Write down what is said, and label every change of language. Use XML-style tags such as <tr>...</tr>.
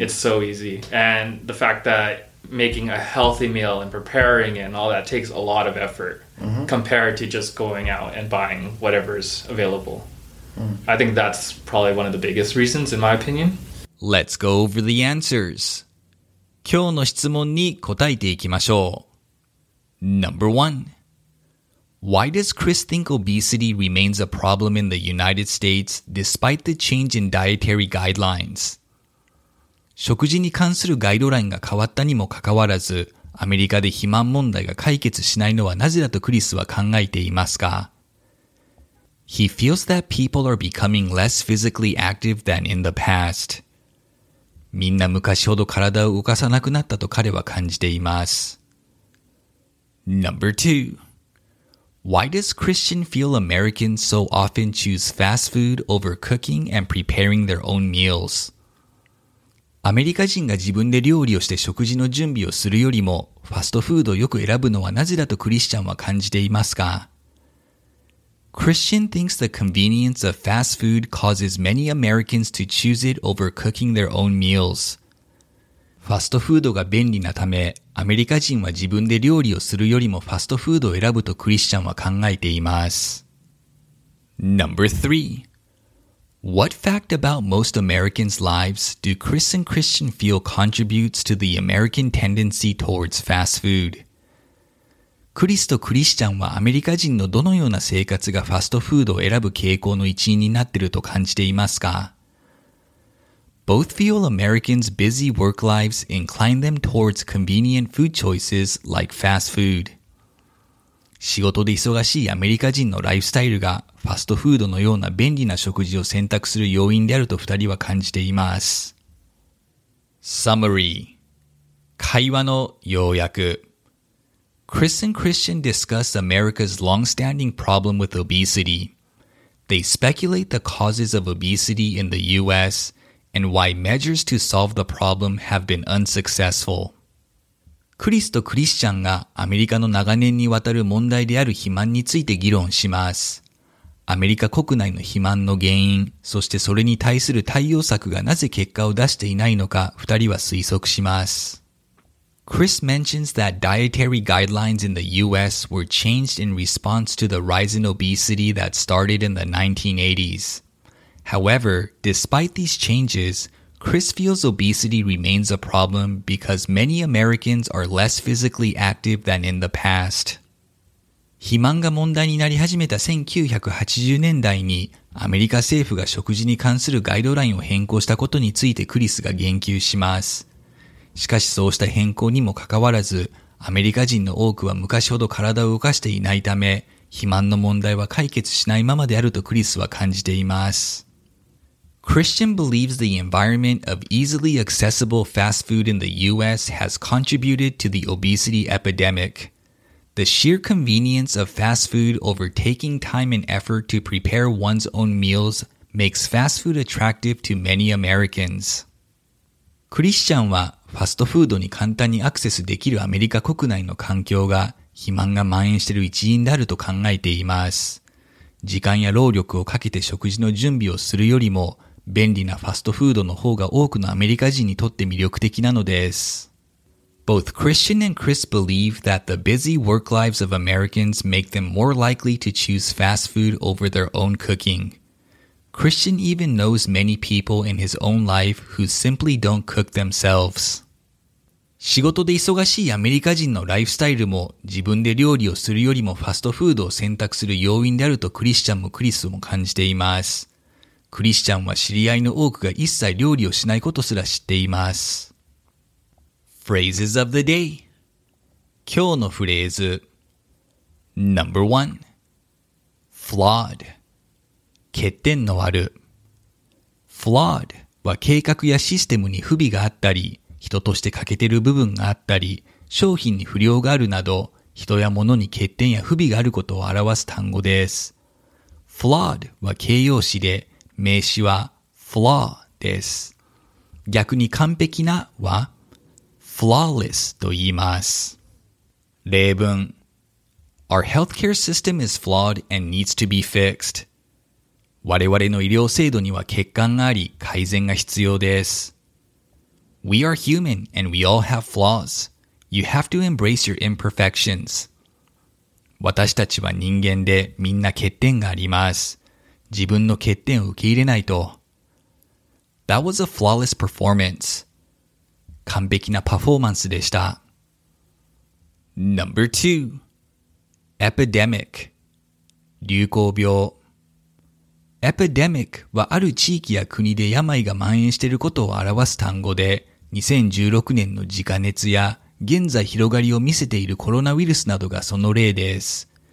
<en>it's so easy and the fact that making a healthy meal and preparing it and all that takes a lot of effort mm-hmm. compared to just going out and buying whatever's available mm-hmm. I think that's probably one of the biggest reasons in my opinion let's go over the answers</en> <ja>今日の質問に答えていきましょう</ja> <en>Number one, why does Chris think obesity remains a problem in the United States despite the change in dietary guidelines?</en> <ja>食事に関するガイドラインが変わったにもかかわらず、アメリカで肥満問題が解決しないのはなぜだとクリスは考えていますか?</ja> <en>He feels that people are becoming less physically active than in the past.</en> <ja>みんな昔ほど体を動かさなくなったと彼は感じています。</ja> <en>Number two. Why does Christian feel Americans so often choose fast food over cooking and preparing their own meals?</en> <ja>アメリカ人が自分で料理をして食事の準備をするよりもファストフードをよく選ぶのはなぜだとクリスチャンは感じていますか？</ja> <en>Christian thinks the convenience of fast food causes many Americans to choose it over cooking their own meals.</en> <ja>ファストフードが便利なため、アメリカ人は自分で料理をするよりもファストフードを選ぶとクリスチャンは考えています。</ja> <en>Number 3. What fact about most Americans' lives do Chris and Christian feel contributes to the American tendency towards fast food?</en> <ja>クリスとクリスチャンはアメリカ人のどのような生活がファストフードを選ぶ傾向の一因になっていると感じていますか？</ja> <en>Both feel Americans' busy work lives incline them towards convenient food choices like fast food.</en> <ja>仕事で忙しいアメリカ人のライフスタイルがファストフードのような便利な食事を選択する要因であると二人は感じています。 Summary 会話の要約。</ja> <en>Chris and Christian discuss America's long-standing problem with obesity. They speculate the causes of obesity in the U.S. and why measures to solve the problem have been unsuccessful.</en> <ja>クリスとクリスチャンがアメリカの長年にわたる問題である肥満について議論します。アメリカ国内の肥満の原因、そしてそれに対する対応策がなぜ結果を出していないのか、二人は推測します。</ja> <en>Chris mentions that dietary guidelines in the U.S. were changed in response to the rise in obesity that started in the 1980s. However, despite these changes, Chris feels obesity remains a problem because many Americans are less physically active than in the past.</en> <ja>肥満が問題になり始めた1980年代に、アメリカ政府が食事に関するガイドラインを変更したことについてクリスが言及します。しかしそうした変更にもかかわらず、アメリカ人の多くは昔ほど体を動かしていないため、肥満の問題は解決しないままであるとクリスは感じています。</ja> <en>Christian believes the environment of easily accessible fast food in the U.S. has contributed to the obesity epidemic. The sheer convenience of fast food over taking time and effort to prepare one's own meals makes fast food attractive to many Americans.</en> <ja>クリスチャンはファストフードに簡単にアクセスできるアメリカ国内の環境が肥満が蔓延している一因であると考えています。時間や労力をかけて食事の準備をするよりも便利なファストフードの方が多くのアメリカ人にとって魅力的なのです。</ja> <en>Both Christian and Chris believe that the busy work lives of Americans make them more likely to choose fast food over their own cooking. Christian even knows many people in his own life who simply don't cook themselves.</en> <ja>仕事で忙しいアメリカ人のライフスタイルも自分で料理をするよりもファストフードを選択する要因であるとクリスチャンもクリスも感じています。クリスチャンは知り合いの多くが一切料理をしないことすら知っています。</ja> <en>Phrases of the day</en> <ja>今日のフレーズ</ja> <en>Number 1 Flawed</en> <ja>欠点のある Flawed は計画やシステムに不備があったり人として欠けてる部分があったり商品に不良があるなど人や物に欠点や不備があることを表す単語です。 Flawed は形容詞で名詞は flaw です。逆に完璧なは flawless と言います。</ja> <en>例文 Our healthcare system is flawed and needs to be fixed.</en> <ja>我々の医療制度には欠陥があり改善が必要です。</ja> <en>We are human and we all have flaws. You have to embrace your imperfections.</en> <ja>私たちは人間でみんな欠点があります。自分の欠点を受け入れないと。</ja> <en>That was a flawless performance.</en> <ja>完璧なパフォーマンスでした。</ja> <en>Number 2. Epidemic.</en> <ja>流行病。 Epidemic はある地域や国で病が蔓延していることを表す単語で、2016年の自家熱や現在広がりを見せているコロナウイルスなどがその例です。</ja>